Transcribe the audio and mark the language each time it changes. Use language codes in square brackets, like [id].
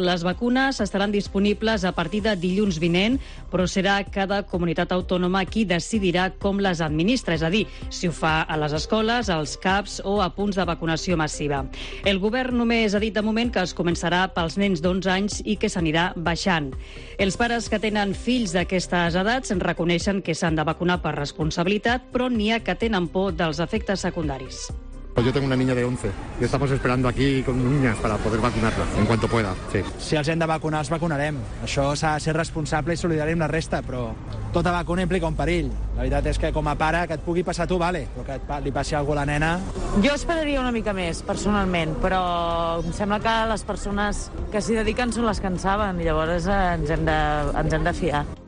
[ca] Les vacunes estaran disponibles a partir de dilluns vinent, però serà cada comunitat autònoma qui decidirà com les administra, és a dir, si ho fa a les escoles, als CAPs o a punts de vacunació massiva. El govern només ha dit de moment que es començarà pels nens d'11 anys i que s'anirà baixant. Els pares que tenen fills d'aquestes edats reconeixen que s'han de vacunar per responsabilitat, però n'hi ha que tenen por dels efectes secundaris. [es] Yo tengo una niña de 11 y estamos esperando aquí con niñas para poder vacunarla en cuanto pueda, sí. [ca] Si els hem de vacunar, els vacunarem. Això s'ha de ser responsable i solidari amb la resta, però tota vacuna implica un perill. La veritat és que com a pare, que et pugui passar tu, vale, però que li passi algú a la nena... Jo esperaria una mica més, personalment, però em sembla que les persones que s'hi dediquen són les que en saben i llavors ens hem de fiar.